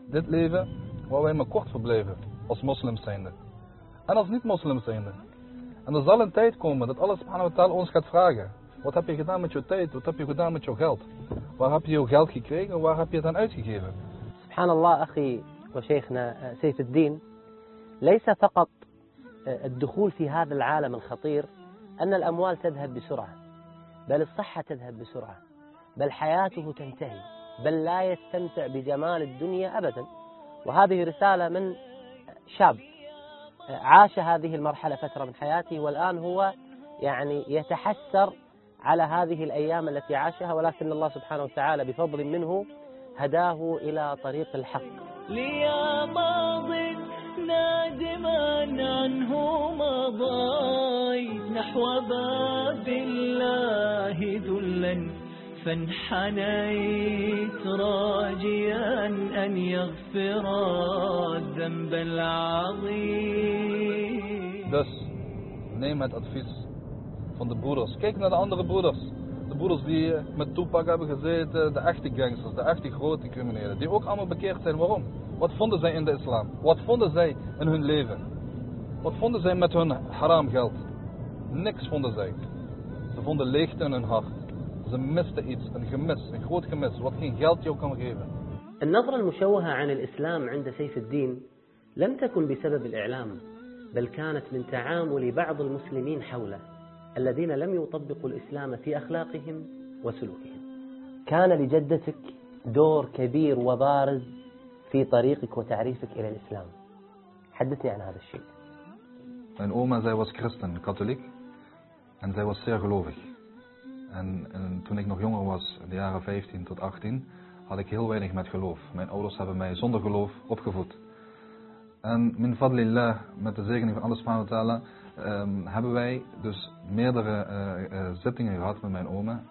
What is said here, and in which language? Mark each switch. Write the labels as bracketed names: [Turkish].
[Dutch] Dit leven waar wij maar kort verbleven als moslims zijnde. En als niet-moslims zijnde. En er zal een tijd komen dat Allah subhanahu wa ta'ala ons gaat vragen. Wat heb je gedaan met je tijd? Wat heb je gedaan met je geld? Waar heb je je geld gekregen? Waar heb je het aan uitgegeven? [Arabic] Subhanallah, akhi wa sheikhna Saif al-Din. ليس فقط الدخول في هذا العالم الخطير أن الأموال تذهب بسرعة بل الصحة تذهب بسرعة بل حياته تنتهي بل لا يستمتع بجمال الدنيا أبدا وهذه رسالة من شاب عاش هذه المرحلة فترة من حياته والآن هو يعني يتحسر على هذه الأيام التي عاشها ولكن الله سبحانه وتعالى بفضل منه هداه إلى طريق الحق ليا ماضٍ نادما عنه مضيت نحو باب الله ذلا فانحنيت راجيا أن يغفر الذنب العظيم. [Dutch] Dus neem het advies van de broeders. Kijk naar de andere broeders. De broeders die met Tupac hebben gezeten, de echte gangsters, de echte grote criminelen, die ook allemaal bekeerd zijn. Waarom? Wat vonden zij in de islam? Wat vonden zij in hun leven? Wat vonden zij met hun haram geld? Niks vonden zij. Ze vonden leegte in hun hart. Ze misten iets, een gemis, een groot gemis, wat geen geld jou kan geven. Een nazra al-mushawaha aan de islam [Arabic] عند سيف الدين لم تكن بسبب الإعلام بل كانت من تعامل بعض المسلمين حوله الذين لم يطبقوا الإسلام في أخلاقهم وسلوكهم. كان لجدتك دور كبير وبارز في طريقك وتعريفك إلى الإسلام. حدثني عن هذا الشيء. [Dutch] Mijn oma, zij was christen, katholiek. En zij was zeer gelovig. En toen ik nog jonger was, in de jaren 15 tot 18, had ik heel weinig met geloof. Mijn ouders hebben mij zonder geloof opgevoed. En [Arabic] min fadlillah, [Dutch] met de zegening van Allah subhanahu wa ta'ala, hebben wij dus meerdere zittingen gehad met mijn oma.